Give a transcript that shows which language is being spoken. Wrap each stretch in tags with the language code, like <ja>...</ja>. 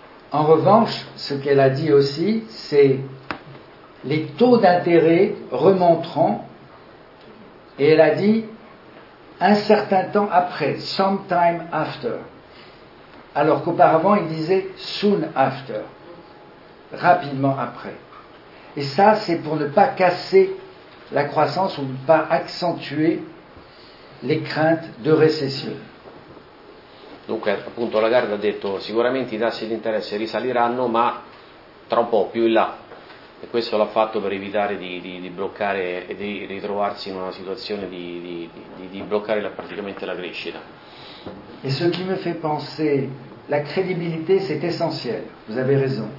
<fr>En revanche, ce qu'elle a dit aussi, c'est les taux d'intérêt remonteront. Et elle a dit un certain temps après,</fr> <en>sometime after.</en> <fr>Alors qu'auparavant, il disait</fr> <en>soon after,</en> <fr>rapidement après. Et ça, c'est pour ne pas casser la croissance ou ne pas accentuer les craintes de récession.</fr> <it>Donc, appunto, Lagarde a detto sicuramente i tassi di interesse risaliranno, ma tra un po' più in là. E questo l'ha fatto per evitare di bloccare e di ritrovarsi in una situazione di bloccare praticamente la crescita.</it> <fr>E ce qui me fait penser, la crédibilité c'est essentiel, vous avez raison.</fr>